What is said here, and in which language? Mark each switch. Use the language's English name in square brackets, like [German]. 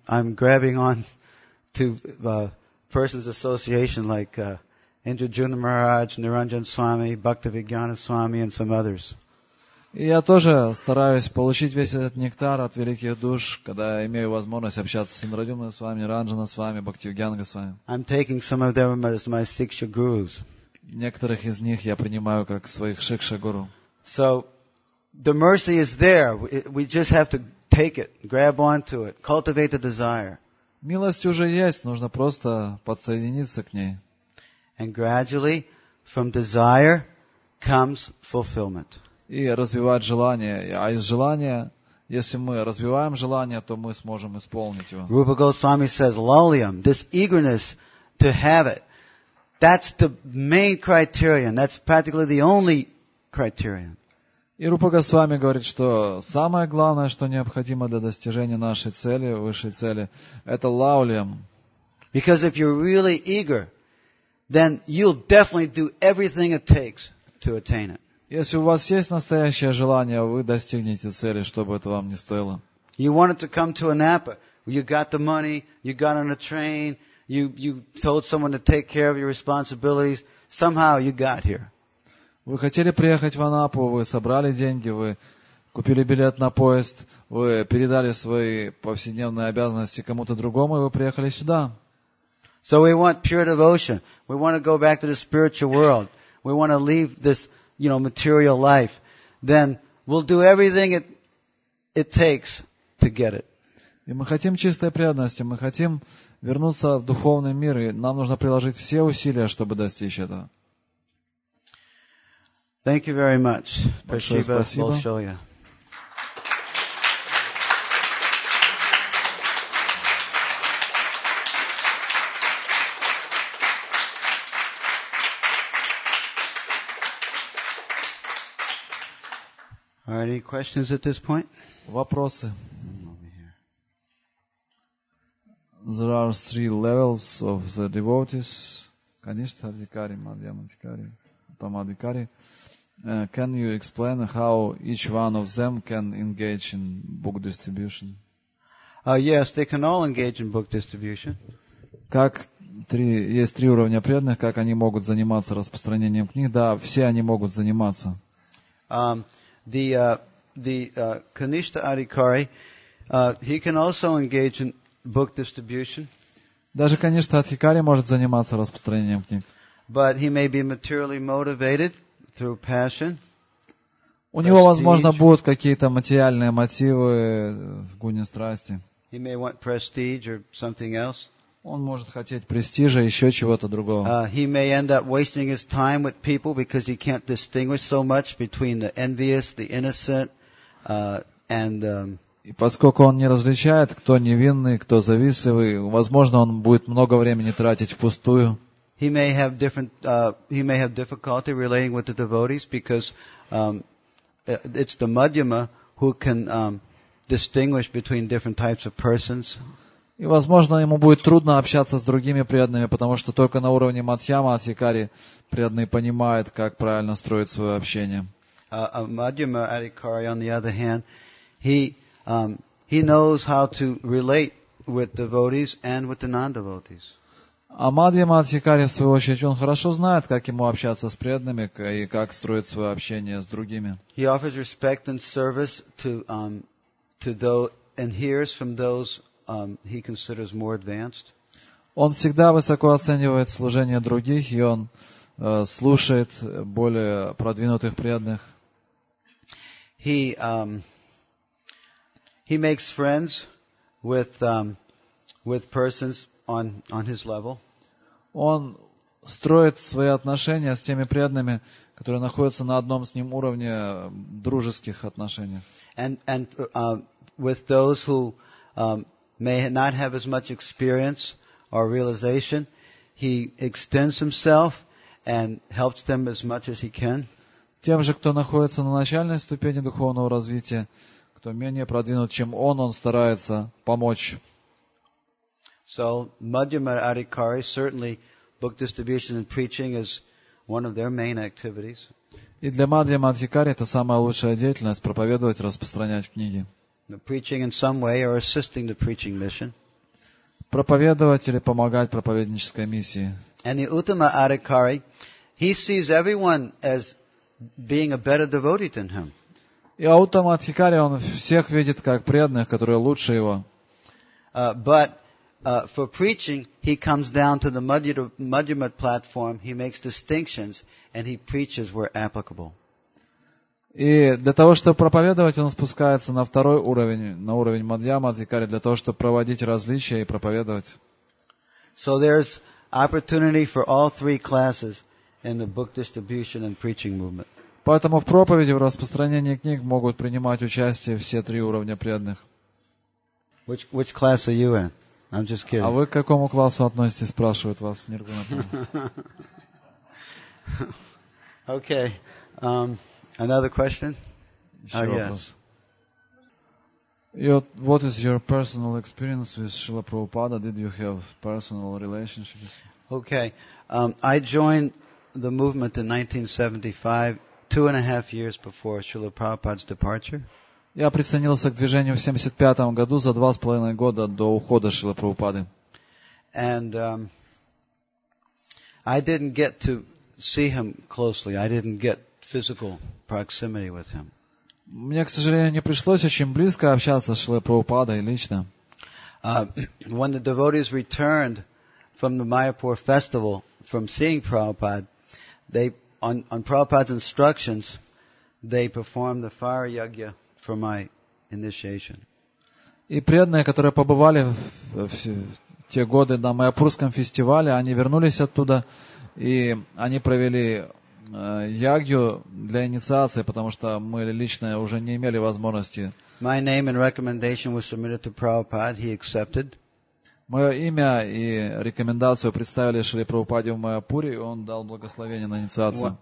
[English] I'm grabbing on to persons association like Indrajuna Maharaj, Niranjan Swami, Bhaktivedanta Swami, and some others. [Russian] Я тоже стараюсь получить весь этот нектар от великих душ, когда я имею возможность общаться с Индрадюмной с вами, Ранджана с вами, Бхактивиганга с вами. [English] I'm taking some of them as my Siksha Gurus. [Russian] Некоторых из них я принимаю как своих Шикша Гуру. [English] So, the mercy is there. We just have to take it, grab onto it, cultivate the desire. [Russian] Милость уже есть, нужно просто подсоединиться к ней. [English] And gradually, from desire comes fulfillment. [Russian] И развивать желание. А из желания, если мы развиваем желание, то мы сможем исполнить его. [English] Rupa Goswami says, Lalyam, this eagerness to have it, that's the main criterion. That's practically the only criterion. [Russian] И Рупа Госвами говорит, что самое главное, что необходимо для достижения нашей цели, высшей цели, это лалиям. [English] Because if you're really eager, then you'll definitely do everything it takes to attain it. [Russian] Если у вас есть настоящее желание, вы достигнете цели, что бы это вам ни стоило. [English] You wanted to come to Anapa. You got the money. You got on a train. You told someone to take care of your responsibilities. Somehow you got here. [Russian] Вы хотели приехать в Анапу. Вы собрали деньги. Вы купили билет на поезд. Вы передали свои повседневные обязанности кому-то другому, и вы приехали сюда. [English] So we want pure devotion. We want to go back to the spiritual world. We want to leave this, you know, material life. Then we'll do everything it takes to get it. [Russian] И мы хотим чистой преданности. Мы хотим вернуться в духовный мир, и нам нужно приложить все усилия, чтобы достичь этого. [English] Thank you very much. [Russian] Большое спасибо. [English] Are any questions at this point? [Russian] Вопросы. [English] There are three levels of the devotees. Kanishtha Adhikari, Madhyam Adhikari, Uttama Adhikari. Can you explain how each one of them can engage in book distribution? Yes, they can all engage in book distribution. [Russian] Как три, есть три уровня преданных, как они могут заниматься распространением книг? Да, все они могут заниматься. [English] The Kanishtha Adhikari, he can also engage in book distribution. [Russian] Даже Kanishtha Adhikari может заниматься распространением книг. [English] But he may be materially motivated through passion. [Russian] У него, возможно, будут какие-то материальные мотивы в гуне страсти. [English] He may want prestige or something else. [Russian] Он может хотеть престижа, еще чего-то другого. [English] He may end up wasting his time with people because he can't distinguish so much between the envious, the innocent, and [Russian] И поскольку он не различает, кто невинный, кто завистливый, возможно, он будет много времени тратить впустую. [English] He may have different he may have difficulty relating with the devotees because it's the Madhyama who can distinguish between different types of persons. [Russian] И, возможно, ему будет трудно общаться с другими преданными, потому что только на уровне Мадхьяма Адхикари преданные понимают, как правильно строить свое общение. [English] A Madhyama Adhikari, on the other hand, he knows how to relate with devotees and with the non-devotees. [Russian] А Мадхьяма Адхикари, в свою очередь, он хорошо знает, как ему общаться с преданными и как строить свое общение с другими. [English] He offers respect and service to those and hears from those he considers more advanced. [Russian] Он всегда высоко оценивает служение других, и он слушает более продвинутых преданных. [English] He makes friends with persons on his level. [Russian] Он строит свои отношения с теми преданными, которые находятся на одном с ним уровне дружеских отношений. [English] And with those who may not have as much experience or realization, he extends himself and helps them as much as he can. [Russian] Тем же, кто находится на начальной ступени духовного развития, кто менее продвинут, чем он старается помочь. [English] So, Madhyama Adhikari, certainly, book distribution and preaching is one of their main activities. [Russian] И для Мадхьяма Адхикари это самая лучшая деятельность — проповедовать, распространять книги. [English] Preaching in some way or assisting the preaching mission. [Russian] Проповедовать или помогать проповеднической миссии. [English] And the Uttama Adhikari, he sees everyone as being a better devotee than him. [Russian] И Уттама Адхикари, он всех видит как преданных, которые лучше его. [English] For preaching, he comes down to the Madhyama platform, he makes distinctions, and he preaches where applicable. [Russian] И для того, чтобы проповедовать, он спускается на второй уровень, на уровень Мадхьяма Адхикари, для того, чтобы проводить различия и проповедовать. Поэтому в проповеди, в распространении книг могут принимать участие все три уровня преданных. [English] Which class are you in? I'm just kidding. [Russian] А вы к какому классу относитесь, спрашивают вас Ниргуна. [English] Okay. Another question? What is your personal experience with Srila Prabhupada? Did you have personal relationships? Okay. I joined the movement in 1975, 2.5 years before Srila Prabhupada's departure. [Russian] Я присоединился к движению в 75-м году, за 2.5 года до ухода Шрилы Прабхупады. [English] And I didn't get to see him closely. I didn't get physical proximity with him. [Russian] Мне, к сожалению, не пришлось очень близко общаться с Шрилой Прабхупадой лично. [English] When the devotees returned from the Mayapur festival, from seeing Prabhupada, they, on Prabhupada's instructions, they performed the fire yagya for my initiation. [Russian] И преданные, которые побывали те годы на Майапурском фестивале, они вернулись оттуда, и они провели ягью для инициации, потому что мы лично уже не имели возможности. [English] My name and recommendation was submitted to Prabhupada. He accepted. [Russian] Мое имя и рекомендацию представили Шри Прабхупаде в Майапуре, и он дал благословение на инициацию.